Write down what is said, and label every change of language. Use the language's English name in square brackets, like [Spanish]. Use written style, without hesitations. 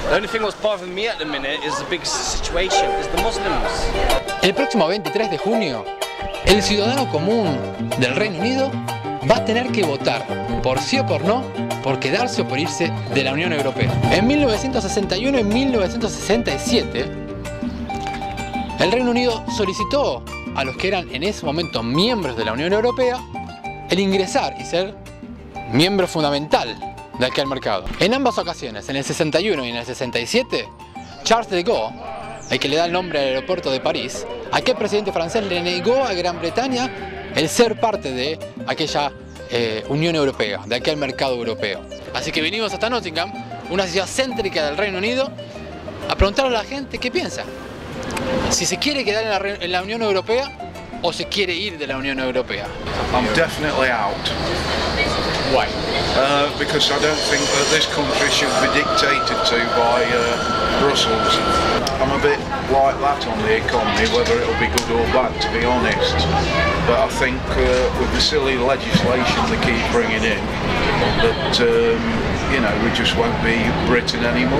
[English] The only thing that's bothering me at the minute is the big situation, is the Muslims. [Spanish] El próximo 23 de junio, el ciudadano común del Reino Unido va a tener que votar por sí o por no, por quedarse o por irse de la Unión Europea. En 1961 y 1967, el Reino Unido solicitó a los que eran en ese momento miembros de la Unión Europea el ingresar y ser miembro fundamental de aquel mercado. En ambas ocasiones, en el 61 y en el 67, Charles de Gaulle, el que le da el nombre al aeropuerto de París, aquel presidente francés le negó a Gran Bretaña el ser parte de aquella Unión Europea, de aquel mercado europeo. Así que vinimos hasta Nottingham, una ciudad céntrica del Reino Unido, a preguntar a la gente qué piensa. Si se quiere quedar en la Unión Europea o se quiere ir de la Unión Europea. [English] I'm definitely out. Why? Because I don't think that this country should be dictated to by Brussels. I'm a bit like that on the economy, whether it'll be good or bad, to be honest. But I think with the silly legislation they keep bringing in, that you know, we just won't be Britain anymore.